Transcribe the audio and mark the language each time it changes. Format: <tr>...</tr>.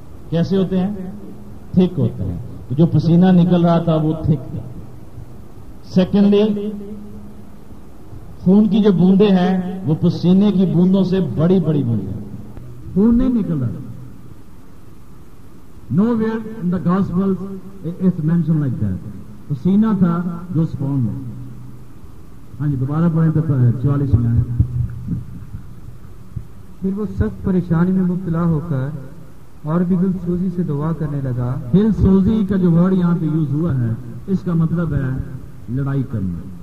<ur>کیسے ہوتے ہیں؟ تھک ہوتے ہیں. تو جو پسینہ نکل رہا تھا وہ تھک تھا. سیکنڈلی خون کی جو بوندے ہیں وہ پسینے کی بوندوں سے بڑی بڑی بوندے ہیں. خون نہیں نکل رہا.</ur> <en>No where in the gospels it's mention like that.</en> <ur>پسینہ تھا جو سپون ہے. ہاں جی دوبارہ پڑھیں تو 44 میں آئے. پھر وہ سخت پریشانی میں مبتلا ہو کر اور بھی دل سوزی سے دعا کرنے لگا. دل سوزی کا جو ورڈ یہاں پہ یوز ہوا ہے اس کا مطلب ہے لڑائی کرنا.</ur>